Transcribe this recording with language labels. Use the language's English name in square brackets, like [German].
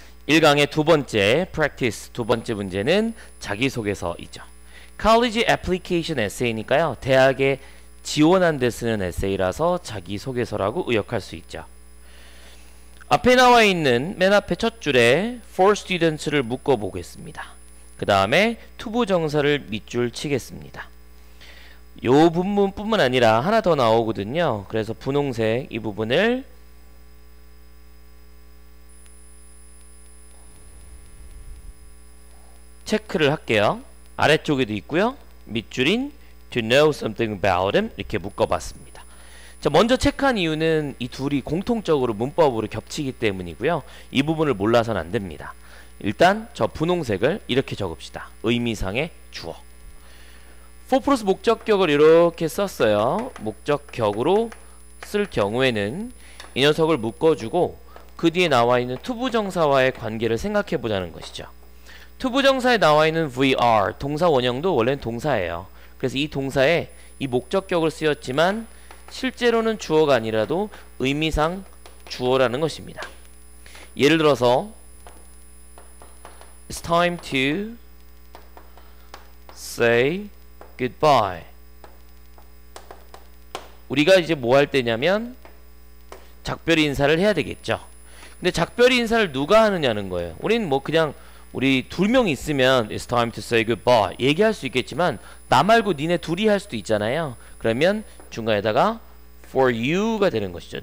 [Korean] 1강의 두 번째 프랙티스 두 번째 문제는 자기소개서이죠. [English] College application essay니까요. [Korean] 대학에 지원한 데 쓰는 에세이라서 자기소개서라고 의역할 수 있죠. 앞에 나와 있는 맨 앞에 첫 줄에 [English] for students [Korean] 를 묶어보겠습니다. 그 다음에 to부 정사를 밑줄 치겠습니다. 요 부분뿐만 아니라 하나 더 나오거든요. 그래서 분홍색 이 부분을 체크를 할게요. 아래쪽에도 있고요. 밑줄인 [English] to know something about him [Korean] 이렇게 묶어봤습니다. 자, 먼저 체크한 이유는 이 둘이 공통적으로 문법으로 겹치기 때문이고요. 이 부분을 몰라서는 안 됩니다. 일단 저 분홍색을 이렇게 적읍시다. 의미상의 주어. for plus 목적격을 이렇게 썼어요. 목적격으로 쓸 경우에는 이 녀석을 묶어주고 그 뒤에 나와있는 to부정사와의 관계를 생각해보자는 것이죠. to부정사에 나와있는 VR, 동사 원형도 원래는 동사예요. 그래서 이 동사에 이 목적격을 쓰였지만 실제로는 주어가 아니라도 의미상 주어라는 것입니다. 예를 들어서 [English] It's time to say goodbye. [Korean] 우리가 이제 뭐 할 때냐면 작별 인사를 해야 되겠죠. 근데 작별 인사를 누가 하느냐는 거예요. 우린 뭐 그냥 우리 두 명 있으면 [English] It's time to say goodbye [Korean] 얘기할 수 있겠지만 나 말고 니네 둘이 할 수도 있잖아요. 그러면 중간에다가 [English] for you [Korean] 가 되는 것이죠.